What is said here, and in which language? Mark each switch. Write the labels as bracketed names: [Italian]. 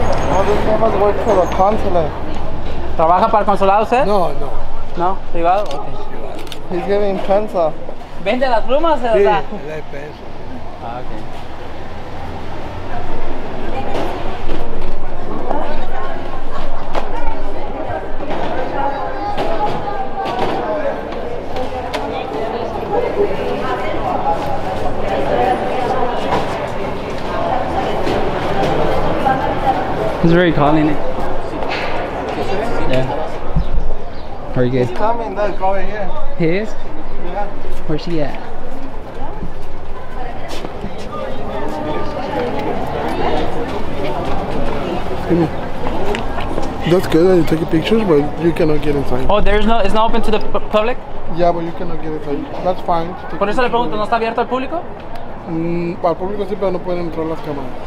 [English] Oh, this guy must work for the consulate. [Spanish] ¿Trabaja para el consulado, usted? No, no. No? ¿Privado? Okay. [English] He's giving pensa. [Spanish] ¿Vende las plumas, verdad? Sí, le pensa. [English] Okay. He's very calm, isn't he? Yeah. Are you good? He's coming, that guy here. He is? Yeah. Where's he at? That's good that you're taking pictures, but you cannot get inside. Oh, there's no, it's not open to the public? Yeah, but you cannot get inside. That's fine. [Spanish] Por eso le pregunto, ¿no está abierto al público? Al público sí, pero no pueden entrar las cámaras.